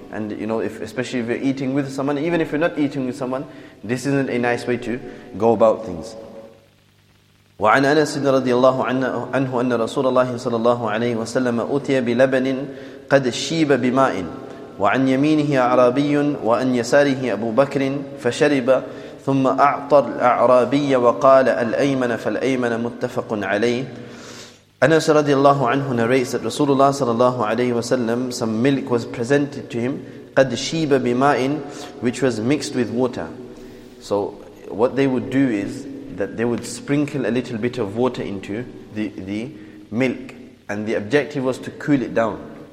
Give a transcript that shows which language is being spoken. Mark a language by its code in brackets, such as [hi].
[en] And you know, if especially if you're eating with someone, even if you're not eating with someone, this isn't a nice way to go about things. [ar] وعن أنس رضي الله عنه أن رسول الله صلى الله عليه وسلم أُتي بلبن قد شيب بماء وعن يمينه أعرابي وعن يساره أبو بكر فشرب ثم أعطى الأعرابي وقال الأيمن فالأيمن متفق عليه. [en] أنس رضي الله عنه narrates that رسول الله صلى الله عليه وسلم, some milk was presented to him, [ar] قد شيب بماء, [en] which was mixed with water. So what they would do is that they would sprinkle a little bit of water into the milk, and the objective was to cool it down.